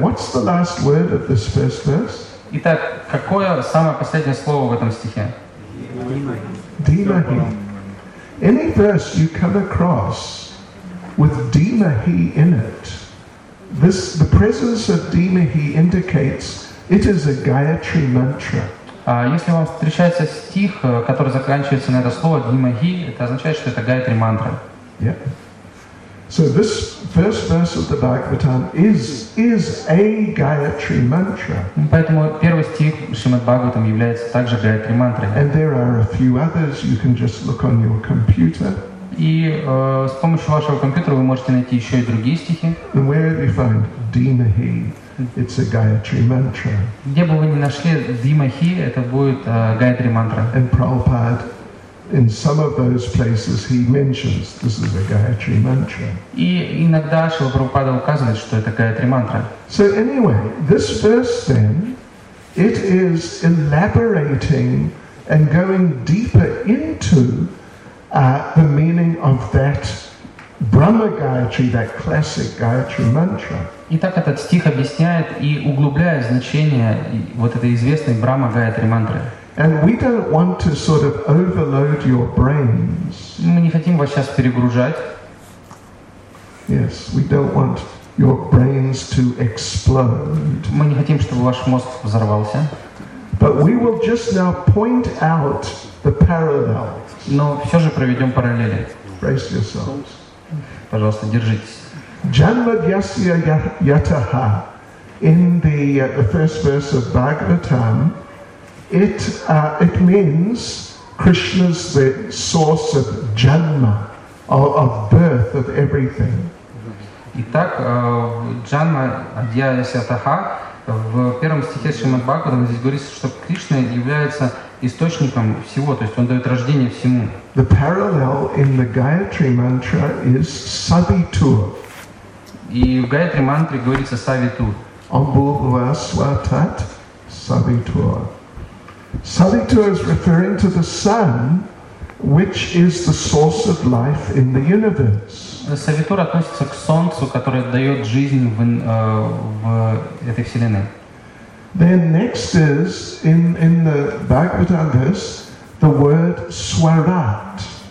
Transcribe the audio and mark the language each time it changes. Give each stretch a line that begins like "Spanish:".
English: What's the last word of this first verse?
Russian: Итак, какое самое последнее слово в этом стихе?
Sanskrit: Dīmahī.
English: Any verse you come across with dīmahī in it, this the presence of dīmahī indicates it is a Gayatri mantra.
Russian: Если вам встречается стих, который заканчивается на это слово dīmahī, это означает, что это Гаятри мантра.
English: Yeah. So this first verse of the Bhagavatam is a Gayatri mantra.
Russian: Поэтому первый стих Шримад-Бхагаватам является также Гаятри мантрой.
English: And there are a few others you can just look on your computer.
Russian: И с помощью вашего компьютера вы можете найти еще и другие стихи.
English: And where do you find dīmahī? It's a Gayatri mantra.
Russian: Где бы вы ни нашли dīmahī, это будет Гаятри мантра.
English: And Prabhupada, in some of those places, he mentions this is a Gayatri mantra.
Russian: И иногда Шрила Прабхупада указывает, что это Гаятри мантра.
English: So anyway, this verse then, it is elaborating and going deeper into the meaning of that Brahma Gayatri, that classic Gayatri mantra.
Russian: Итак, этот стих объясняет и углубляет значение вот этой известной Брахма Гаятри мантры.
English: And we don't want to sort of overload your brains.
Russian: Мы не хотим вас сейчас перегружать.
English: Yes, we don't want your brains to explode.
Russian: Мы не хотим, чтобы ваш мозг взорвался.
English: But we will just now point out the parallels.
Russian: Но все же проведем параллели.
English: Brace yourselves.
Russian: Пожалуйста, держитесь.
Sanskrit: Janmadhyasya yataha,
English: in the first verse of Bhagavatam, it means Krishna's the source of janma, of birth of everything.
Russian: Итак,
Sanskrit: janma adhyasyataha
Russian: в первом стихе Шримад Бхагаватам здесь говорится, что Кришна является источником всего, то есть он дает рождение всему.
English: The parallel in the Gayatri mantra is sabitur.
Russian: И в Гаятри мантре говорится савитур.
Sanskrit: Амбхуваасватат савитур.
Russian: Савитур is referring to the sun, which is the source of life in the universe. Савитур относится к солнцу, которое дает жизнь в этой вселенной.
English: Then next is in the Bhagavatam verse the word swarat.